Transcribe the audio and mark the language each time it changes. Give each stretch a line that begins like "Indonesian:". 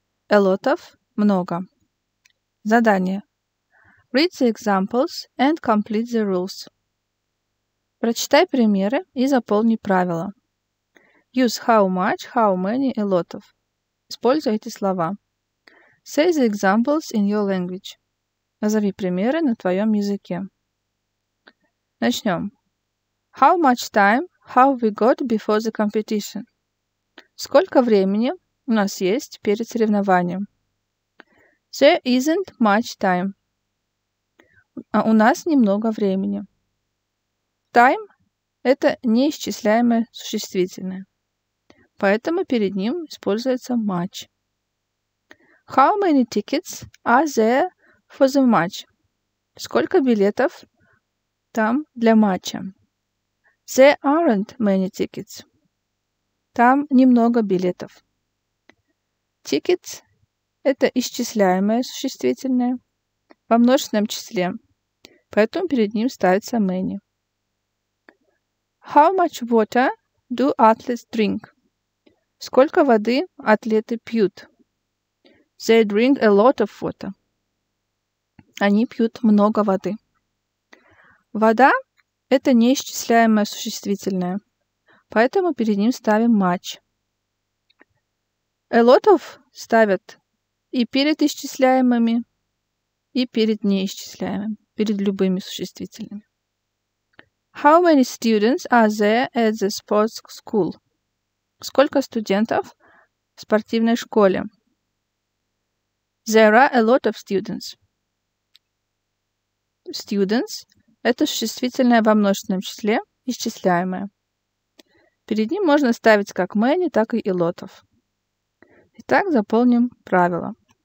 English: A lot of – много. Задание. Read the examples and complete the rules.
Russian: Прочитай примеры и заполни правила.
English: Use how much, how many, a lot of.
Russian: Используй эти слова.
English: Say the examples in your language.
Russian: Назови примеры на твоем языке. Начнем.
English: How much time have we got before the competition?
Russian: Сколько времени у нас есть перед соревнованием?
English: There isn't much time.
Russian: А у нас немного времени. Time – это неисчисляемое существительное. Поэтому перед ним используется much.
English: How many tickets are there for the match?
Russian: Сколько билетов там для матча?
English: There aren't many tickets.
Russian: Там немного билетов. Tickets – это исчисляемое существительное во множественном числе. Поэтому перед ним ставится many.
English: How much water do athletes drink?
Russian: Сколько воды атлеты пьют?
English: They drink a lot of water.
Russian: Они пьют много воды. Вода – это неисчисляемое существительное. Поэтому перед ним ставим much. A lot of ставят и перед исчисляемыми, и перед неисчисляемыми. Перед любыми существительными.
English: How many students are there at the sports school?
Russian: Сколько студентов в спортивной школе?
English: There are a lot of students.
Russian: Students – это существительное во множественном числе, исчисляемое. Перед ним можно ставить как many, так и a lot of. Итак, заполним правила.